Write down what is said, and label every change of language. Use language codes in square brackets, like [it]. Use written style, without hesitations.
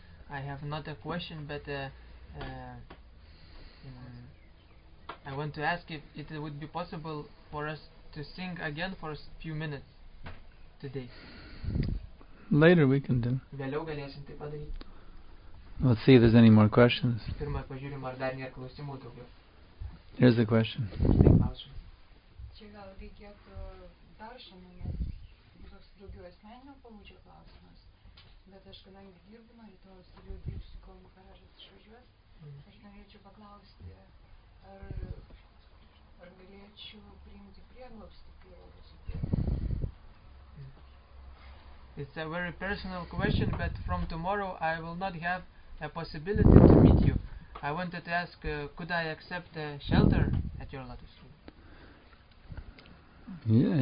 [en] I have not a question, but I want to ask if it would be possible for us to sing again for a few minutes today. Later we can do. [lt] Vėliau galėsim tai padaryti. [en] Let's see if there's any more questions. [lt] Pirma, pažiūrim, ar dar nėra klausimų daugiau. [en] Here's the question. [lt] Čia gal reikėtų dar šiandien, toks daugiau asmeninio pobūdžio klausimas. Bet aš kadangi dirbu, nuo rytojaus turiu dirbti, kol nukaražas išvažiuos, aš norėčiau paklausti, ar galėčiau priimti prieglobstį prie rūsų. [en] It's a very personal question, but from tomorrow I will not have a possibility to meet you. I wanted to ask, could I accept a shelter at your lotus room?